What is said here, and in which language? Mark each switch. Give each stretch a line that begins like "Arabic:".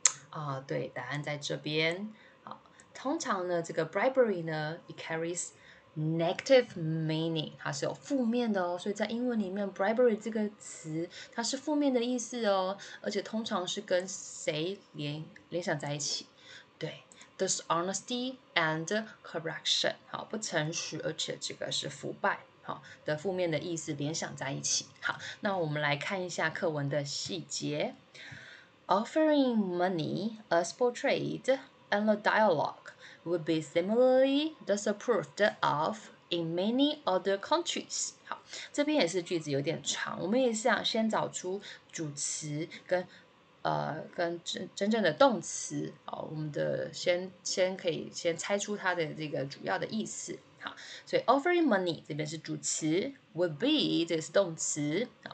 Chinese: 啊，对，答案在这边。好，通常呢，这个 bribery 呢 ，
English: it carries negative meaning，
Chinese: 它是有负面的哦。所以在英文里面 ，bribery 这个词它是负面的意思哦，而且通常是跟谁联想在一起？对。 Dishonesty and corruption， 好，不诚实，而且这个是腐败，好，的负面的意思联想在一起。好，那我们来看一下课文的细节。
English: Offering money as portrayed in the dialogue would be similarly disapproved of in many other countries。
Chinese: 好，这边也是句子有点长，我们也想先找出主词跟跟 真正的动词，我们的 先可以先猜出它的这个主要的意思。好，所以 offering money 这边是主词， would be 这是动词。